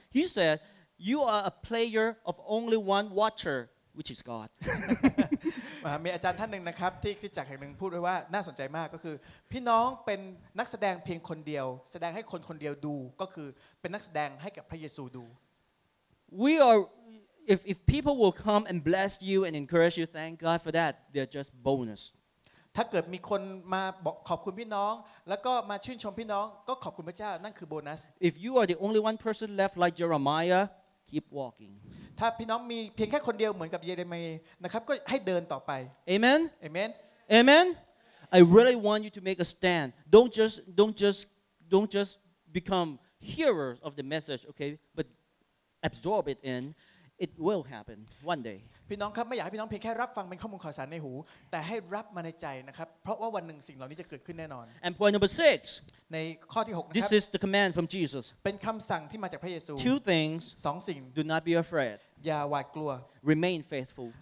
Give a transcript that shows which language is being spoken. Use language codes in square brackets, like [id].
[en] He said, you are a player of only one watcher. Which is God. [th] มีอาจารย์ท่านหนึ่งนะครับที่คริสตจักรแห่งหนึ่งพูดไว้ว่าน่าสนใจมากก็คือพี่น้องเป็นนักแสดงเพียงคนเดียวแสดงให้คนเดียวดูก็คือเป็นนักแสดงให้กับพระเยซูดู [en] We are if people will come and bless you and encourage you thank God for that they're just bonus. [th] ถ้าเกิดมีคนมาขอบคุณพี่น้องแล้วก็มาชื่นชมพี่น้องก็ขอบคุณพระเจ้านั่นคือโบนัส [en] If you are the only one person left like Jeremiah keep walking. [th] ถ้าพี่น้องมีเพียงแค่คนเดียวเหมือนกับเยเรเมียนะครับก็ให้เดินต่อไป [en] Amen Amen Amen I really want you to make a stand don't just become hearers of the message okay but absorb it in it will happen one day [th] พี่น้องครับไม่อยากให้พี่น้องเพียงแค่รับฟังเป็นข้อมูลข่าวสารในหูแต่ให้รับมาในใจนะครับเพราะว่าวันหนึ่งสิ่งเหล่านี้จะเกิดขึ้นแน่นอน [en] And point number 6 [th] ในข้อที่6นะครับ [en] This is the command from Jesus [th] เป็นคําสั่งที่มาจากพระเยซู [en] Two things [th] 2สิ่ง [en] Do not be afraid [th] อย่าหวาดกลัว [en] Remain faithful